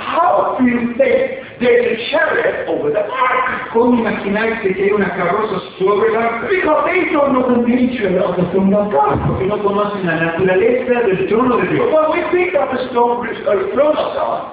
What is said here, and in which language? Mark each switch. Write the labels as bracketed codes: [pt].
[en] How do you think there's a chariot over the ark? [es] ¿Cómo imaginar que hay una carroza sobre el arca? [en] Because they don't know the nature of the throne of God. [es] Porque no conocen la naturaleza del trono de Dios. [en] When we think of the throne of God.